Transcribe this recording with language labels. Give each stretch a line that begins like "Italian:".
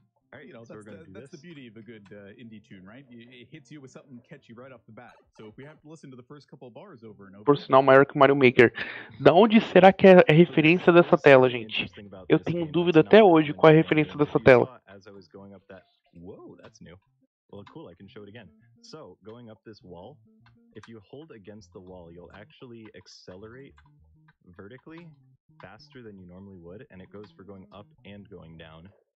English: Alright, you know, that's the beauty of a good indie tune, right? It hits you with something catchy right off the bat. So if we have to listen to the first couple of bars over and over.
Portuguese: Por sinal, maior que Mario Maker. Da onde será que é a referência dessa tela, gente? Eu tenho dúvida até hoje qual é a referência dessa tela.
English: Whoa, that's new. Well, cool, I can show it again. So, going up this wall, if you hold against the wall, you'll actually accelerate vertically faster than you normally would, and it goes for going up and going down.